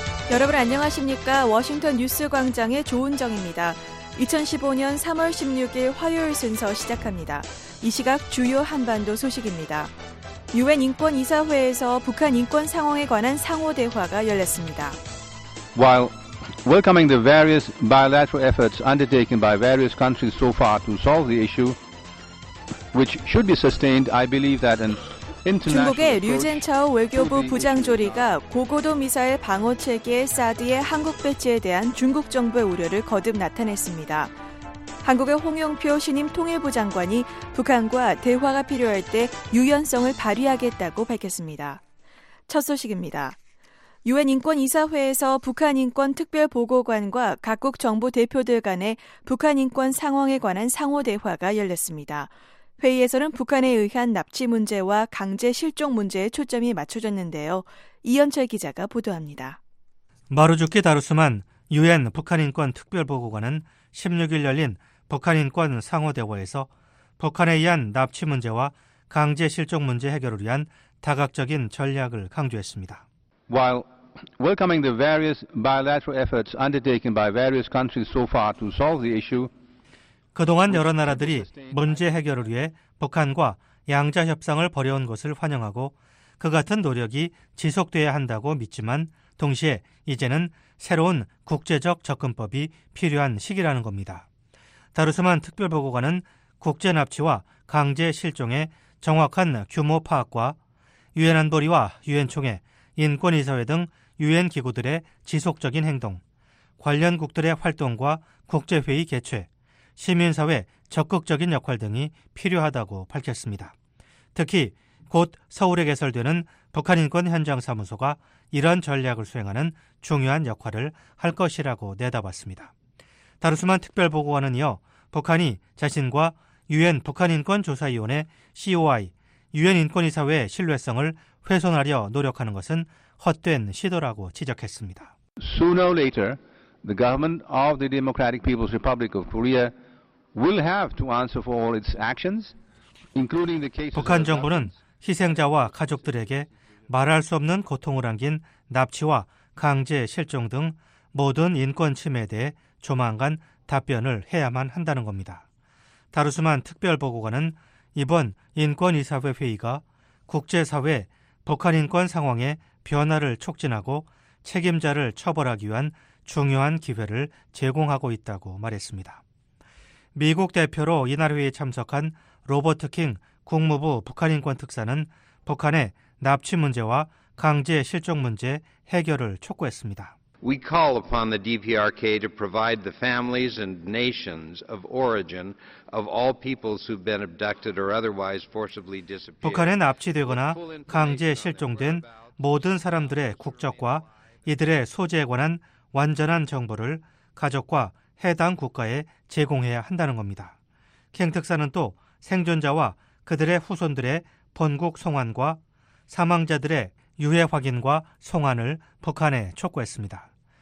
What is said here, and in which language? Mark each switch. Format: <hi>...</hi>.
<ko>여러분 안녕하십니까? 워싱턴 뉴스 광장의 조은정입니다. 2015년 3월 16일 화요일 순서 시작합니다. 이 시각 주요 한반도 소식입니다. 유엔 인권이사회에서 북한 인권 상황에 관한 상호 대화가 열렸습니다.</ko> <en>While welcoming the various bilateral efforts undertaken by various countries so far to solve the issue, which should be sustained, I believe that an</en> <ko>중국의 류젠차오 외교부 부장조리가 고고도 미사일 방어체계 사드의 한국 배치에 대한 중국 정부의 우려를 거듭 나타냈습니다. 한국의 홍영표 신임 통일부 장관이 북한과 대화가 필요할 때 유연성을 발휘하겠다고 밝혔습니다. 첫 소식입니다. 유엔 인권이사회에서 북한 인권 특별보고관과 각국 정부 대표들 간의 북한 인권 상황에 관한 상호 대화가 열렸습니다. 회의에서는 북한에 의한 납치 문제와 강제 실종 문제에 초점이 맞춰졌는데요. 이현철 기자가 보도합니다. 마루주키 다루스만 유엔 북한인권특별보고관은 16일 열린 북한인권 상호대화에서 북한에 의한 납치 문제와 강제 실종 문제 해결을 위한 다각적인 전략을 강조했습니다.</ko> <en>While welcoming the various bilateral efforts undertaken by various countries so far to solve the issue,</en> <ko>그동안 여러 나라들이 문제 해결을 위해 북한과 양자 협상을 벌여온 것을 환영하고 그 같은 노력이 지속돼야 한다고 믿지만 동시에 이제는 새로운 국제적 접근법이 필요한 시기라는 겁니다. 다루스만 특별보고관은 국제 납치와 강제 실종의 정확한 규모 파악과 유엔 안보리와 유엔총회, 인권이사회 등 유엔 기구들의 지속적인 행동, 관련국들의 활동과 국제회의 개최, 시민사회 적극적인 역할 등이 필요하다고 밝혔습니다. 특히 곧 서울에 개설되는 북한인권현장사무소가 이런 전략을 수행하는 중요한 역할을 할 것이라고 내다봤습니다. 다루스만 특별보고관은 이어 북한이 자신과 유엔 북한인권조사위원회 COI, 유엔인권이사회의 신뢰성을 훼손하려 노력하는 것은 헛된 시도라고 지적했습니다.</ko> <en>Sooner or later, the government of the Democratic People's Republic of Korea will have to answer for all its actions, including the cases.</en> <ko>북한 정부는 희생자와 가족들에게 말할 수 없는 고통을 안긴 납치와 강제 실종 등 모든 인권 침해에 대해 조만간 답변을 해야만 한다는 겁니다. 다루스만 특별 보고관은 이번 인권 이사회 회의가 국제 사회 북한 인권 상황의 변화를 촉진하고 책임자를 처벌하기 위한 중요한 기회를 제공하고 있다고 말했습니다. 미국 대표로 이날 회의에 참석한 로버트 킹 국무부 북한인권특사는 북한의 납치 문제와 강제 실종 문제 해결을 촉구했습니다.</ko> <en>We call upon the DPRK to provide the families and nations of origin of all peoples who've been abducted or otherwise forcibly disappeared.</en> <ko>북한에 납치되거나 강제 실종된 모든 사람들의 국적과 이들의 소재에 관한 완전한 정보를 가족과 해당 국가에 제공해야 한다는 겁니다. 킹 특사는 또 생존자와 그들의 후손들의 본국 송환과 사망자들의 유해 확인과 송환을 북한에 촉구했습니다.</ko>